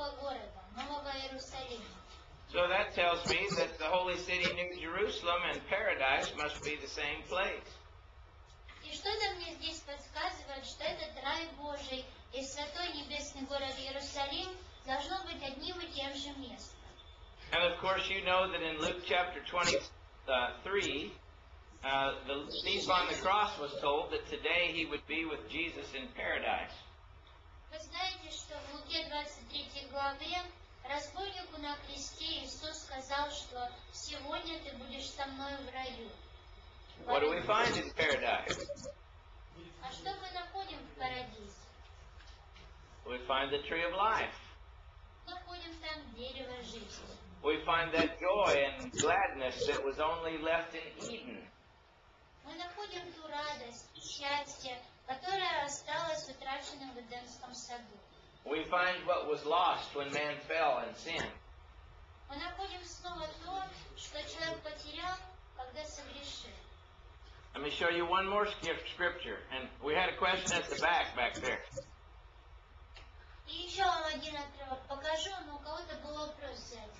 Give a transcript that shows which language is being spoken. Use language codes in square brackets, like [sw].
[en] So that tells me that the holy city, New Jerusalem, and paradise must be the same place. [ru] И что-то мне здесь подсказывает, что этот рай Божий и святой небесный город Иерусалим должно быть одним и тем же местом. [en] And of course you know that in Luke chapter 23, the thief on the cross was told that today he would be with Jesus in paradise. [ru] Вы знаете, что в Луке 23 главе разбойнику на кресте Иисус сказал, что сегодня ты будешь со мной в раю. [en] What do we find in paradise? [ru] А что мы находим в парадизе? [en] We find the tree of life. [ru] Находим там дерево жизни. [en] We find that joy and gladness that was only left in Eden. [ru] Мы находим ту радость и счастье, которое осталось утраченным в Эдемском саду. [en] We find what was lost when man fell in sin. [ru] Мы находим снова то, что человек потерял, когда согрешил. [en] Let me show you one more scripture. And we had a question at the back there. [ru] И еще вам один отрывок покажу, но у кого-то был вопрос взять.